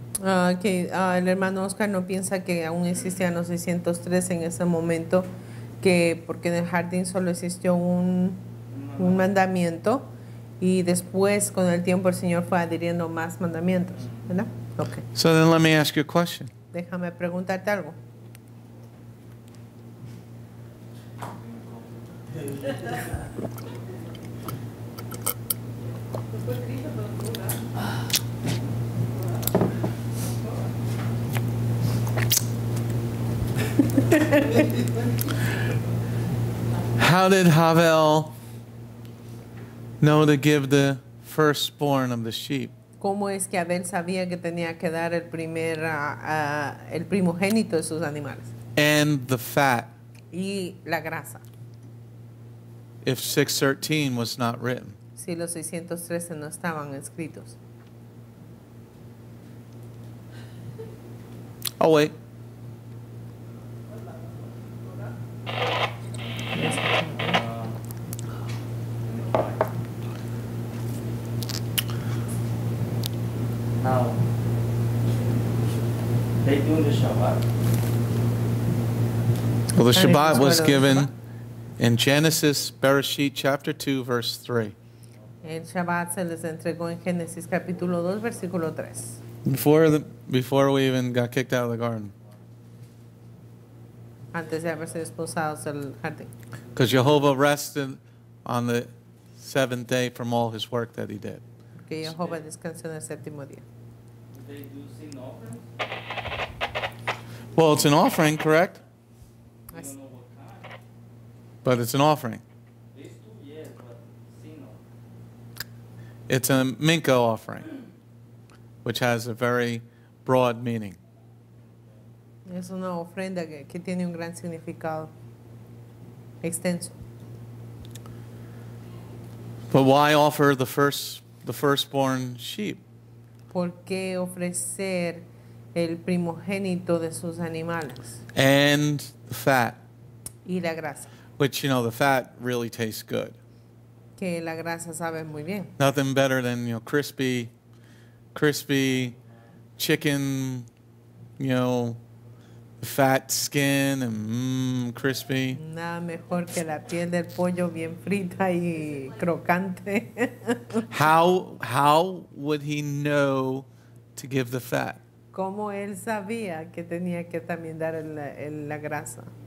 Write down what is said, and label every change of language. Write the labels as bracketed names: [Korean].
[Spanish] Okay, el hermano Oscar no piensa que aún existían los 613 en ese momento, que porque en el jardín solo existió un mandamiento, y después con el tiempo el Señor fue adhiriendo más mandamientos, ¿verdad? [English] Okay. So then let me ask you a question. [Spanish] Déjame preguntarte algo. [English] How did Havel know to give the firstborn of the sheep? [Spanish] ¿Cómo es que Havel sabía que tenía que dar el primer el primogénito de sus animales? [English] And the fat. [Spanish] Y la grasa. [English] If 613 was not written. [Spanish] Si los 613 no estaban escritos. [English] Oh wait. Now, they do the Shabbat. Well, the Shabbat was given in Genesis, Bereshit, chapter 2, verse 3. [Spanish] El Shabbat se les entregó en Génesis, capítulo 2, versículo 3. [English] Before we even got kicked out of the garden. [Spanish] Antes de haberse expulsados del jardín. [English] Because Jehovah rested on the seventh day from all his work that he did. [Spanish] Que Jehovah descansó en el séptimo día. [English] Well, it's an offering, correct? I don't know what kind. But it's an offering. These two, yes, but sin offering. It's a minko offering, which has a very broad meaning. [Spanish] Es una ofrenda que tiene un gran significado extenso. [English] But why offer the firstborn sheep? [Spanish] ¿Por qué ofrecer el primogénito de sus animales? [English] And the fat. [Spanish] Y la grasa. [English] Which, you know, the fat really tastes good. [Spanish] que la grasa sabe muy bien. [English] Nothing better than, you know, crispy chicken, you know, fat skin and crispy. [Spanish] Nada mejor que la piel del pollo bien frita y crocante. [English] How would he know to give the fat? [Spanish] ¿Cómo él sabía que tenía que también dar la grasa?